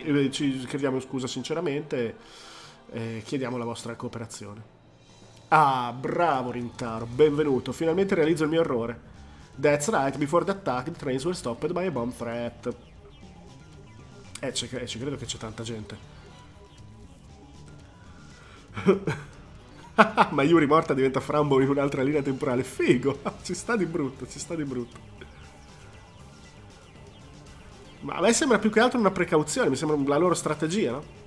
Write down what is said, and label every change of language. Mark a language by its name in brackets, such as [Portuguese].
[Italian] Ci crediamo, scusa, sinceramente. Chiediamo la vostra cooperazione. Ah, bravo Rintaro, benvenuto. Finalmente realizzo il mio errore. [English] That's right, before the attack, the trains were stopped by a bomb threat. [Italian] Ci credo che c'è tanta gente. Ma Yuri morta diventa Frambo in un'altra linea temporale. Figo, ci sta di brutto, ci sta di brutto. Ma a me sembra più che altro una precauzione, mi sembra la loro strategia, no?